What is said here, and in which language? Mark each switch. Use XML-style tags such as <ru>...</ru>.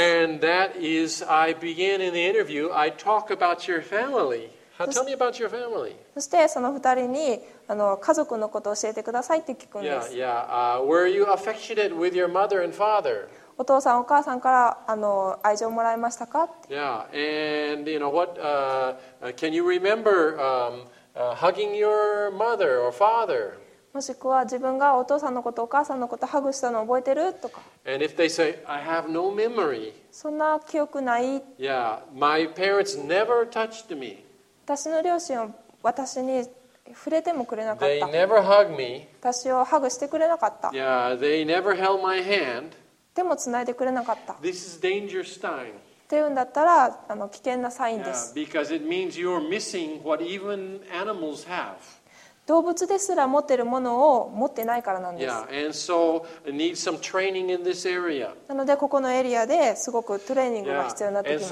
<en>And that is, I begin in the interview, I talk about your family. Tell me about your family.</en> <ja>そしてその二人に家族のことを教えてくださいって聞くんです。</ja> <en>Yeah, yeah. Were you affectionate with your mother and father?</en> <ja>お父さんお母さんから愛情をもらいましたか?</ja> <en>Yeah. And you know what? Can you remember hugging your mother or father?</en> <ja>もしくは自分がお父さんのことお母さんのことハグしたのを覚えてるとか。</ja> <en>And if they say, I have no memory.</en> <ja>そんな記憶ない。</ja> <en>Yeah, my parents never touched me.</en> <ja>私の両親は私に触れてもくれなかった。</ja> <en>They never hugged me.</en> <ja>私をハグしてくれなかった。</ja> <en>Yeah, they never held my hand.</en> <ja>手もつないでくれなかった。</ja> <en>This is dangerous sign.</en> <ja>っていうんだったら危険なサインです。</ja> <en>Yeah, because it means you're missing what even animals have.</en> <ja>動物ですら持ってるものを持ってないからなんです。</ja> <en>Yeah, and so need some training in this area.</en> <ja>なのでここのエリアですごくトレーニングが必要になってきます。</ja>